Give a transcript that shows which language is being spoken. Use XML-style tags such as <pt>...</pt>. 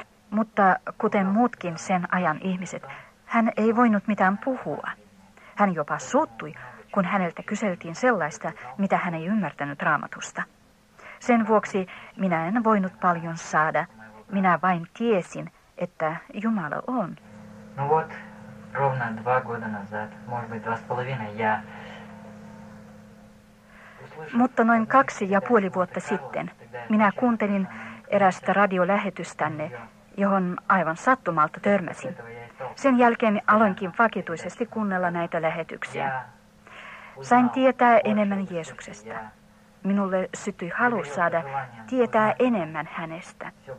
<fi>Mutta kuten muutkin sen ajan ihmiset, hän ei voinut mitään puhua. Hän jopa suuttui, kun häneltä kyseltiin sellaista, mitä hän ei ymmärtänyt Raamatusta. Sen vuoksi minä en voinut paljon saada. Minä vain tiesin, että Jumala on.</fi> <ru>No вот, ровно 2 года назад, может быть 2,5, я...</ru> <fi>Mutta noin 2,5 vuotta sitten minä kuuntelin erästä radiolähetystänne, johon aivan sattumalta törmäsin. Sen jälkeen aloinkin vakituisesti kuunnella näitä lähetyksiä. Sain tietää enemmän Jeesuksesta. Minulle syttyi halu saada tietää enemmän hänestä.</fi>